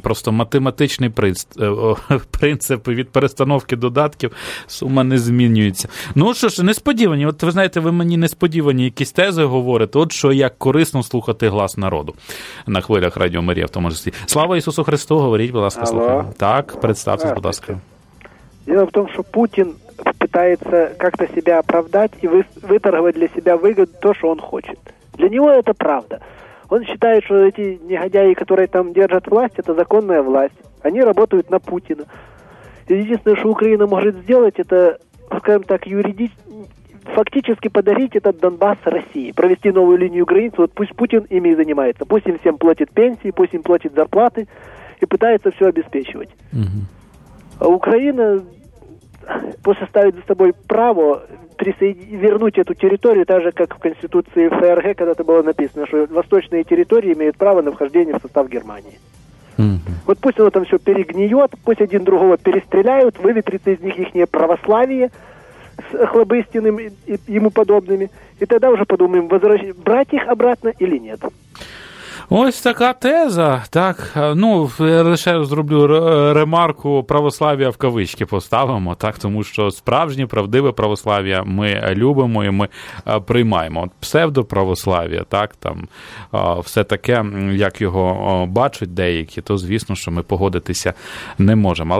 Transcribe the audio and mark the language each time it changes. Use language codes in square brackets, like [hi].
[uk] Просто математичний принцип від перестановки додатків, сума не змінюється. Ну що ж, несподівані, от ви знаєте, ви мені несподівані якісь тези говорите, от що як корисно слухати глас народу на хвилях Радіо Марія в тому числі. Слава Ісусу Христу, говоріть, будь ласка, слухаємо. Так, представтесь, будь ласка. Діло в тому, що [ru] Путін пытается как-то себя оправдать и выторговать для себя выгоду то, что он хочет. Для него это правда. Он считает, что эти негодяи, которые там держат власть, это законная власть. Они работают на Путина. Единственное, что Украина может сделать, это, скажем так, фактически подарить этот Донбасс России, провести новую линию границы. Вот пусть Путин ими и занимается. Пусть им всем платит пенсии, пусть им платит зарплаты и пытается все обеспечивать. А Украина после ставить за собой право вернуть эту территорию, так же, как в Конституции ФРГ, когда-то было написано, что восточные территории имеют право на вхождение в состав Германии. Mm-hmm. Вот пусть оно там все перегниет, пусть один другого перестреляют, выветрится из них ихнее православие, с Охлобыстиным и ему подобными. И тогда уже подумаем, брать их обратно или нет. [uk] Ось така теза. Так, ну, лише зроблю ремарку «православ'я» в кавички поставимо, так, тому що справжнє правдиве православ'я ми любимо і ми приймаємо. Псевдоправослав'я, так, там, все таке, як його бачать деякі, то, звісно, що ми погодитися не можемо.